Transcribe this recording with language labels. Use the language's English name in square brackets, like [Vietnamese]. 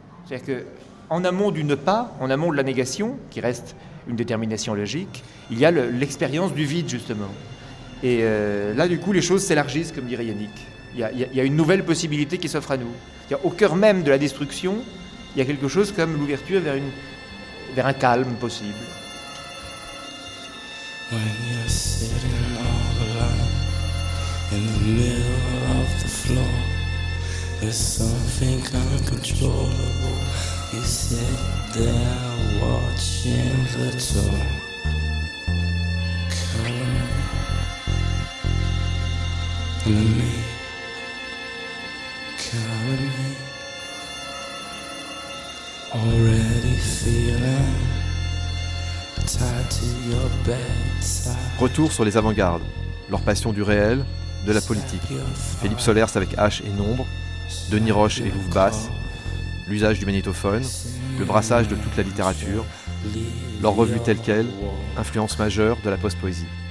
[French] C'est-à-dire qu'en amont du ne pas, en amont de la négation, qui reste une détermination logique, il y a l'expérience du vide, justement. Et là, du coup, les choses s'élargissent, comme dirait Yannick. Il y a une nouvelle possibilité qui s'offre à nous. Au cœur même de la destruction, il y a quelque chose comme l'ouverture vers un calme possible. [English] When you're sitting on the line in the middle of the floor, there's something uncontrollable. You sit there watching the door. Come to me. Come to me. Already feeling tied to your bedside. [French] Retour sur les avant-gardes, leur passion du réel, de la politique. Philippe Solers avec H et Nombre, Denis Roche et Louve Basse, l'usage du magnétophone, le brassage de toute la littérature, leur revue telle quelle, influence majeure de la post-poésie.